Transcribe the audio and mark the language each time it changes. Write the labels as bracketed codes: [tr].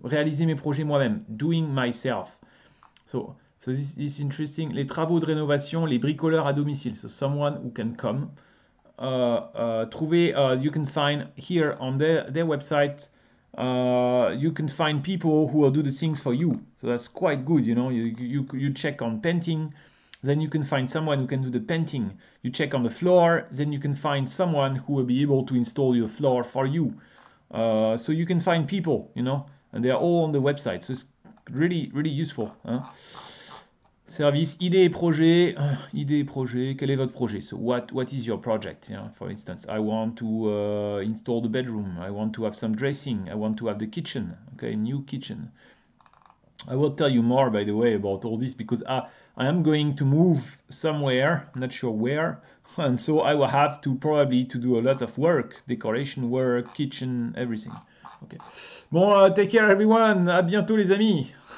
[fr] Réaliser mes projets moi-même. [en] Doing myself. So this is interesting. [fr] Les travaux de rénovation, les bricoleurs à domicile. [en] So someone who can come. Trouver, you can find here on their website You can find people who will do the things for you. So that's quite good, you know. You check on painting, then you can find someone who can do the painting. You check on the floor, then you can find someone who will be able to install your floor for you. So you can find people, you know, and they are all on the website. So it's really, really useful, hein? [fr] Service, idée et projet, quel est votre projet? [en] So what is your project? Yeah, for instance, I want to install the bedroom, I want to have some dressing, I want to have the kitchen, okay, new kitchen. I will tell you more, by the way, about all this because I am going to move somewhere, not sure where, and so I will have to probably to do a lot of work, decoration work, kitchen, everything. Okay. Bon, take care everyone, [fr] à bientôt les amis.